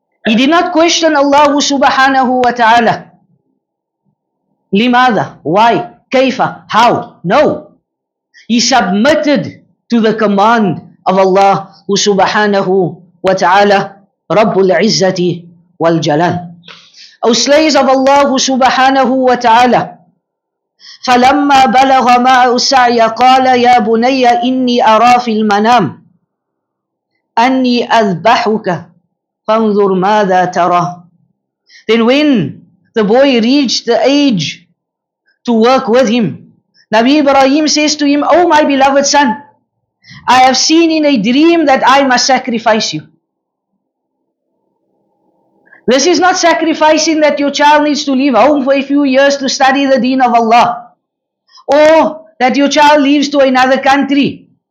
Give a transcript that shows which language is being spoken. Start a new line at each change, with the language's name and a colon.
English: He did not question Allah subhanahu wa ta'ala.
Arabic: Limada?
English: Why?
Arabic: Kaifa?
English: How? No. He submitted to the command of Allah subhanahu wa ta'ala,
Arabic: Rabbul Izzati wal Jalal.
English: O slaves of Allah subhanahu wa ta'ala,
Arabic: فَلَمَّا بَلَغَ مَعَهُ السَّعْيَ قَالَ يَا بُنَيَّ إِنِّي أَرَى فِي الْمَنَامِ أَنِّي أَذْبَحُكَ فَانْظُرْ مَاذَا تَرَى.
English: Then when the boy reached the age to work with him, Nabi Ibrahim says to him, "Oh my beloved son, I have seen in a dream that I must sacrifice you. This is not sacrificing that your child needs to leave home for a few years to study the deen of Allah, or that your child leaves to another country.